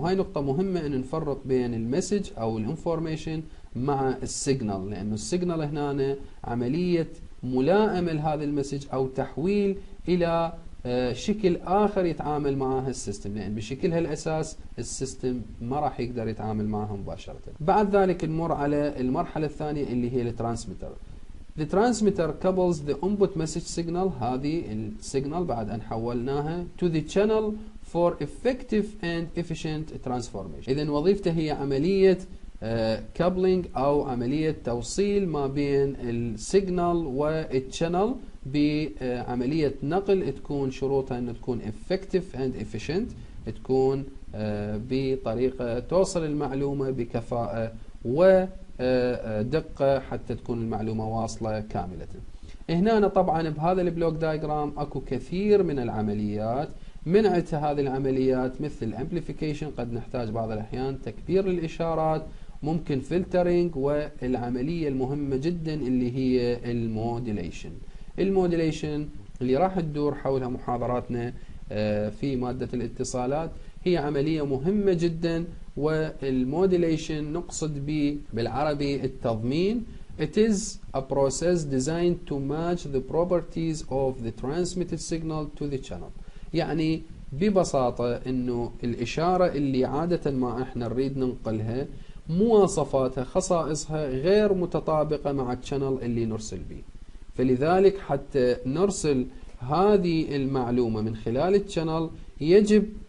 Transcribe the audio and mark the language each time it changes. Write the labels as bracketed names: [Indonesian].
[Arabic] وهي نقطة مهمة أن نفرق بين المسج أو الانفورميشن مع السيجنال، لأنه السيجنال هنا عملية ملائمة لهذا المسج أو تحويل إلى شكل آخر يتعامل معها السيستم، لأن بشكلها الأساس السيستم ما راح يقدر يتعامل معها مباشرة. بعد ذلك نمر على المرحلة الثانية اللي هي الترانسميتر. [English] The transmitter couples the input message signal، [Arabic] هذه السيجنال بعد أن حولناها، [English] to the channel for effective and efficient transformation. [Arabic] إذن وظيفته هي عملية coupling أو عملية توصيل ما بين السيجنال والشانل بعملية نقل تكون شروطها أن تكون effective and efficient، تكون بطريقة توصل المعلومة بكفاءة ودقة حتى تكون المعلومة واصلة كاملة. هنا طبعا بهذا البلوك دايجرام أكو كثير من العمليات، من عدها هذه العمليات مثل amplification قد نحتاج بعض الأحيان تكبير الإشارات، ممكن filtering، والعملية المهمة جدا اللي هي المودوليشن. المودوليشن اللي راح تدور حولها محاضراتنا في مادة الاتصالات هي عملية مهمة جدا. والمودوليشن نقصد به بالعربي التضمين. [English] It is a process designed to match the properties of the transmitted signal to the channel. [Arabic] يعني ببساطة انه الإشارة اللي عادة ما احنا نريد ننقلها مواصفاتها خصائصها غير متطابقة مع الشانل اللي نرسل به، فلذلك حتى نرسل هذه المعلومة من خلال الشانل يجب